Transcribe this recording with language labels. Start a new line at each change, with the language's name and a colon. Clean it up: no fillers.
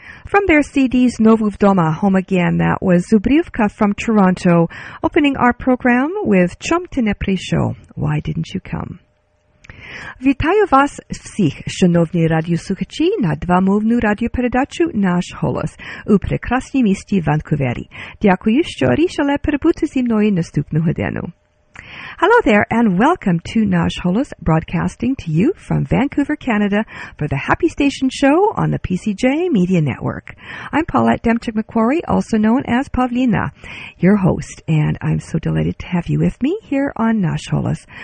English: From their CDs, Novu Vdoma, Home Again, that was Zubrivka from Toronto, opening our program with Chom Ty Ne Prisho, Why Didn't You Come?
Ukrainian: Вітаю вас всіх, шановні радіослухачі, на двомовну радіопередачу «Наш голос» у прекрасній місті Ванкувері. Дякую, що рішили перебути зі мною наступну годину.
English: Hello there, and welcome to Nash Holos, broadcasting to you from Vancouver, Canada, for the Happy Station Show on the PCJ Media Network. I'm Paulette Demchuk-McQuarrie, also known as Pavlina, your host, and I'm so delighted to have you with me here on Nash Holos.